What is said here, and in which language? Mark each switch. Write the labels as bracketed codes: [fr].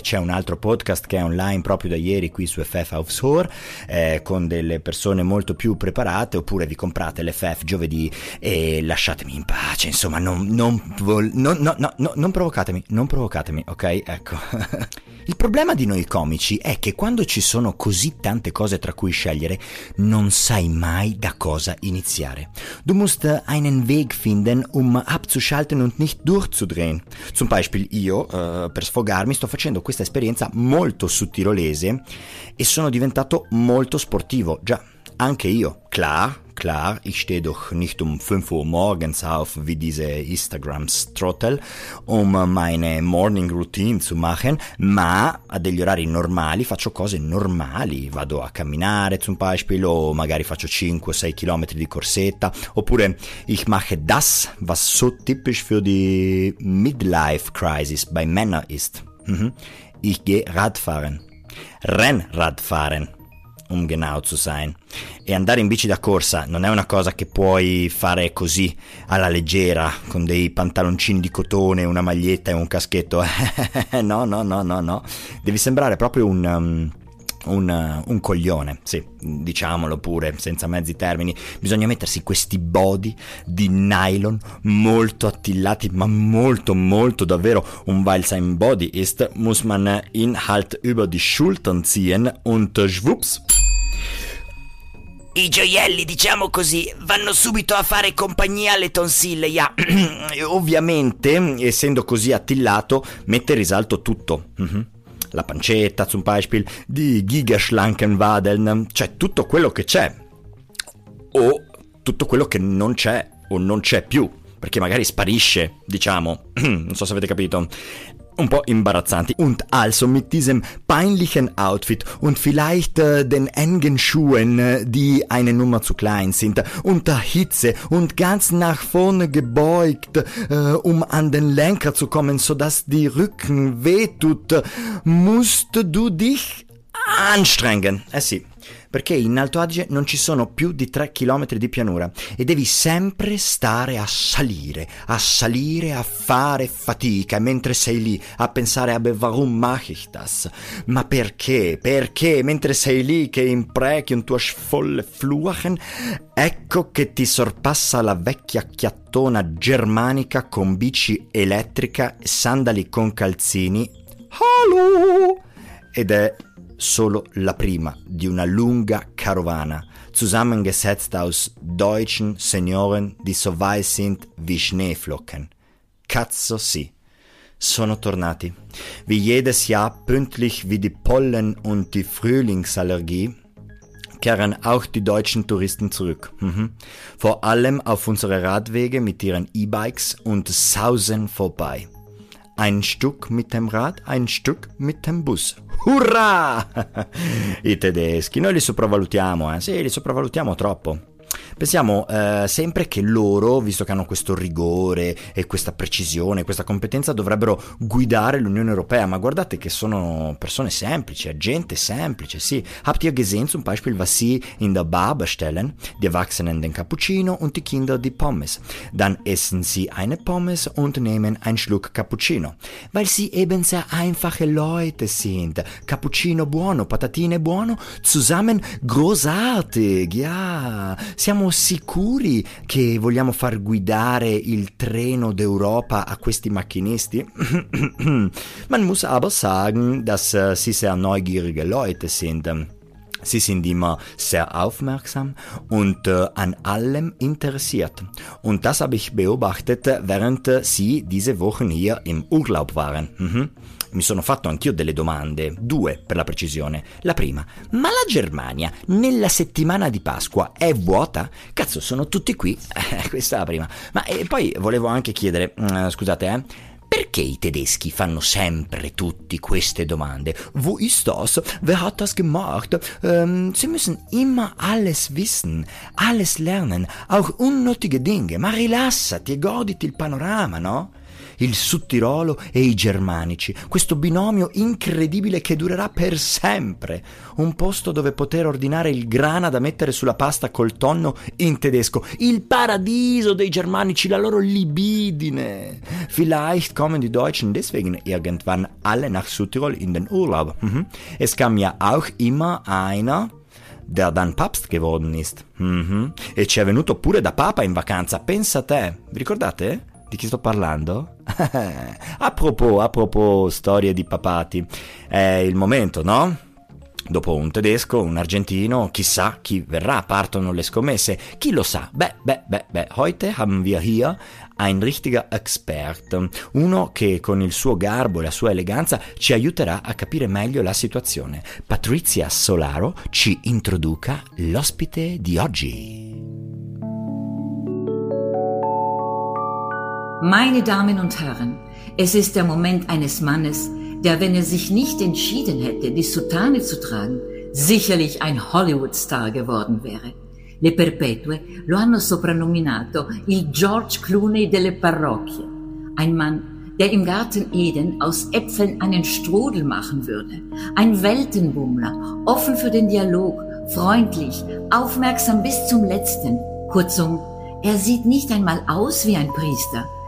[it] C'è un altro podcast che è online proprio da ieri qui su FF Offshore, con delle persone molto più preparate, oppure vi comprate l'FF giovedì e lasciatemi in pace, insomma, non provocatemi, ok? Ecco. Il problema di noi comici è che quando ci sono così tante cose tra cui scegliere, non sai mai da cosa iniziare. [de] Du musst einen Weg finden, abzuschalten und nicht durchzudrehen. Zum Beispiel [it] io, per sfogarmi, sto facendo questa esperienza molto su tirolese e sono diventato molto sportivo. Già, anche io, [de] klar, ich stehe doch nicht um 5 Uhr morgens auf wie diese Instagram-Strottel, meine Morning Routine zu machen, [it] ma a degli orari normali faccio cose normali, vado a camminare [de] zum Beispiel, [it] o magari faccio 5-6 km di corsetta, oppure [de] ich mache das, was so typisch für die Midlife Crisis bei Männern ist. Ich gehe Radfahren. Rennradfahren. Um genau zu sein. [it] E andare in bici da corsa non è una cosa che puoi fare così alla leggera, con dei pantaloncini di cotone, una maglietta e un caschetto. No. Devi sembrare proprio un coglione, sì, diciamolo pure, senza mezzi termini. Bisogna mettersi questi body di nylon molto attillati, ma molto, molto davvero. [de] Un weil sein body ist, muss man ihn halt über die Schultern ziehen und schwups. [it] I gioielli, diciamo così, vanno subito a fare compagnia alle tonsille, ya. Ovviamente, essendo così attillato, mette in risalto tutto. La pancetta, [de] zum Beispiel, [it] di [de] Gigaschlanken Wadeln, [it] cioè tutto quello che c'è, o tutto quello che non c'è, o non c'è più, perché magari sparisce, diciamo, non so se avete capito, un po' imbarazzanti. [de] Und also mit diesem peinlichen Outfit und vielleicht den engen Schuhen, die eine Nummer zu klein sind, unter Hitze und ganz nach vorne gebeugt, an den Lenker zu kommen, sodass die Rücken wehtut, musst du dich anstrengen. [it] Sì. Perché in Alto Adige non ci sono più di 3 km di pianura e devi sempre stare a salire, a fare fatica, mentre sei lì a pensare a [de] warum mache ich das? [it] Ma perché? Perché? Mentre sei lì che imprechi un tuo folle fluchen, ecco che ti sorpassa la vecchia chiattona germanica con bici elettrica, sandali con calzini. [de] Hallo! [it] Ed è solo la prima di una lunga carovana, [de] zusammengesetzt aus deutschen Senioren, die so weiß sind wie Schneeflocken. [it] Cazzo sì, sono tornati. [de] Wie jedes Jahr, pünktlich wie die Pollen und die Frühlingsallergie, kehren auch die deutschen Touristen zurück. Vor allem auf unsere Radwege mit ihren E-Bikes und sausen vorbei. Ein Stück mit dem Rad, ein Stück mit dem Bus. Hurra! [it] I tedeschi, noi li sopravvalutiamo, eh? Sì, li sopravvalutiamo troppo. Pensiamo sempre che loro, visto che hanno questo rigore e questa precisione, questa competenza, dovrebbero guidare l'Unione Europea, ma guardate che sono persone semplici, gente semplice, sì. [de] Habt ihr gesehen zum Beispiel, was sie in der Bar bestellen? Die Erwachsenen den Cappuccino und die Kinder die Pommes. Dann essen sie eine Pommes und nehmen einen Schluck Cappuccino. Weil sie eben sehr einfache Leute sind. [it] Cappuccino buono, patatine buono, [de] zusammen großartig, ja. [it] Siamo sicuri che vogliamo far guidare il treno d'Europa a questi macchinisti? [de] Man muss aber sagen, dass sie sehr neugierige Leute sind. Sie sind immer sehr aufmerksam und an allem interessiert. Und das habe ich beobachtet, während sie diese Wochen hier im Urlaub waren. [it] Mi sono fatto anch'io delle domande, due per la precisione. La prima, ma la Germania nella settimana di Pasqua è vuota? Cazzo, sono tutti qui? Questa è la prima. Ma poi volevo anche chiedere, perché i tedeschi fanno sempre tutti queste domande? [de] Wo ist das? Wer hat das gemacht? Sie müssen immer alles wissen, alles lernen, auch unnötige Dinge. [it] Ma rilassati e goditi il panorama, no? Il Sudtirolo e i germanici, questo binomio incredibile che durerà per sempre. Un posto dove poter ordinare il grana da mettere sulla pasta col tonno in tedesco. Il paradiso dei germanici, la loro libidine. [de] Vielleicht kommen die Deutschen deswegen irgendwann alle nach Sudtirol in den Urlaub. Es kam ja auch immer einer, der dann Papst geworden ist. [it] E ci è venuto pure da Papa in vacanza, pensa a te. Vi ricordate? Di chi sto parlando? A propos, storie di papati. È il momento, no? Dopo un tedesco, un argentino, chissà chi verrà, partono le scommesse. Chi lo sa? [de] Beh, heute haben wir hier ein richtiger Expert. [it] Uno che con il suo garbo e la sua eleganza ci aiuterà a capire meglio la situazione. Patrizia Solaro ci introduca l'ospite di oggi. [de] Meine Damen und Herren, es ist der Moment eines Mannes, der, wenn er sich nicht entschieden hätte, die Soutane zu tragen, sicherlich ein Hollywood-Star geworden wäre. [it] Le Perpetue lo hanno soprannominato il George Clooney delle Parrocchie. [de] Ein Mann, der im Garten Eden aus Äpfeln einen Strudel machen würde. Ein Weltenbummler, offen für den Dialog, freundlich, aufmerksam bis zum Letzten. Kurzum, er sieht nicht einmal aus wie ein Priester.